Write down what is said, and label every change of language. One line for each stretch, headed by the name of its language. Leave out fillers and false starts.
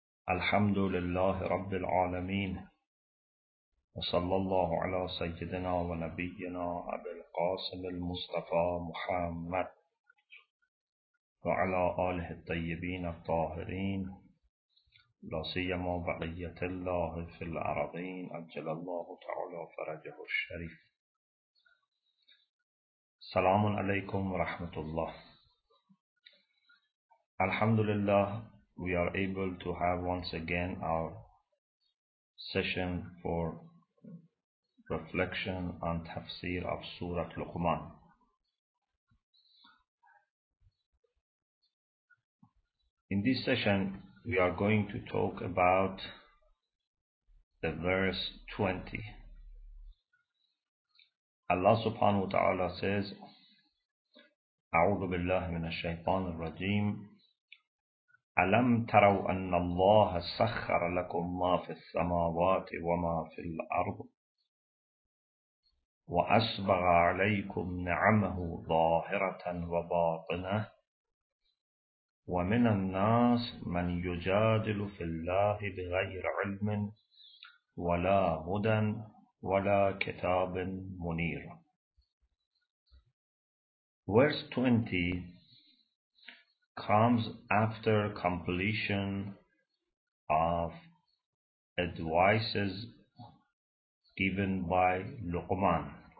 Arabic: الحمد لله رب العالمين وصلى الله على سيدنا ونبينا أبي القاسم المصطفى محمد وعلى آله الطيبين الطاهرين لا سيما بقية الله في الأرضين أجل الله تعالى فرجه الشريف سلام علیکم ورحمت الله.
English: Alhamdulillah, we are able to have once again our session for reflection on tafsir of Surah Luqman. In this session, we are going to talk about the verse 20. Allah subhanahu wa ta'ala says,
Arabic: أعوذ بالله من الشيطان الرجيم ألم تروا أن الله سخر لكم ما في السماوات وما في الأرض وأسبغ عليكم نعمه ظاهرة وباطنة ومن الناس من يجادل في الله بغير علم ولا هدى ولا كتاب منير.
English: Verse 20 comes after completion of advices given by Luqman.